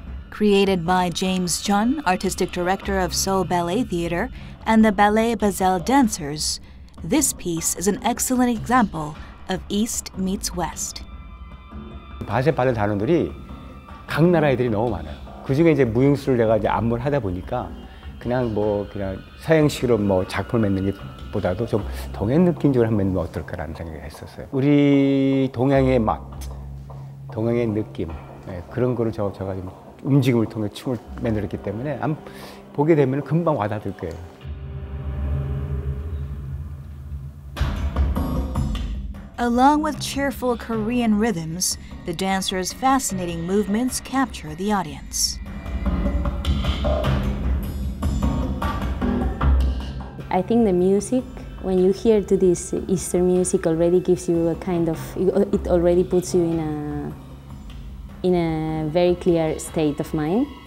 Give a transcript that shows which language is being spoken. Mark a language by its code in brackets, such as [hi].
[en] Created by James Chun, artistic director of Seoul Ballet Theatre, and the Ballet Basel dancers, this piece is an excellent example of East meets West. [ko] 바셀 발레 단원들이 각 나라애들이 너무 많아요. 그중에 이제 무용수를 내가 이제 안무를 하다 보니까 그냥 뭐 그냥 서양식으로 뭐 작품을 맺는 게 보다도 좀 동양 느낌적으로 하면 어떨까라는 생각을 했었어요. 우리 동양의 맛, 동양의 느낌, 네, 그런 거를 제가 좀 움직임을 통해 춤을 만들었기 때문에 보게 되면 금방 와닿을 거예요. [en] Along with cheerful Korean rhythms, the dancers' fascinating movements capture the audience. I think the music, when you hear to this Easter music, already gives you a kind of, it already puts you in a very clear state of mind.